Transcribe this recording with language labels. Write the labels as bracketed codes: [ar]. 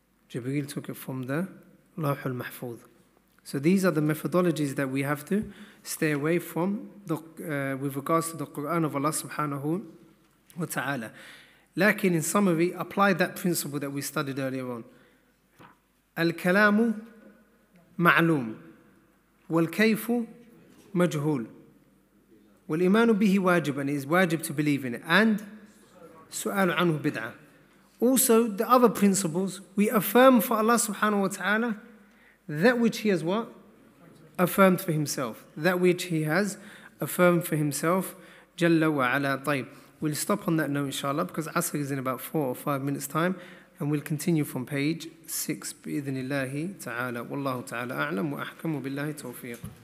[en] Jibreel took it from the Lawh al-Mahfuz. So these are the methodologies that we have to stay away from with regards to the Quran of Allah subhanahu wa ta'ala. Lakin in summary, apply that principle that we studied earlier on. [ar] Al-Kalamu ma'loom. Wal-Kayfu majhul. والإيمان به واجب, [en] and it is wajib to believe in it. [ar] And سؤال عنه بدعة. [en] Also, the other principles, we affirm for Allah subhanahu wa ta'ala that which He has what? Affirmed for Himself. That which He has affirmed for Himself. [ar] جل وعلا طيب. [en] We'll stop on that note, inshallah, because Asr is in about 4 or 5 minutes' time, and we'll continue from page 6 [ar] بإذن الله تعالى. والله تعالى أعلم وأحكم وبالله توفيق.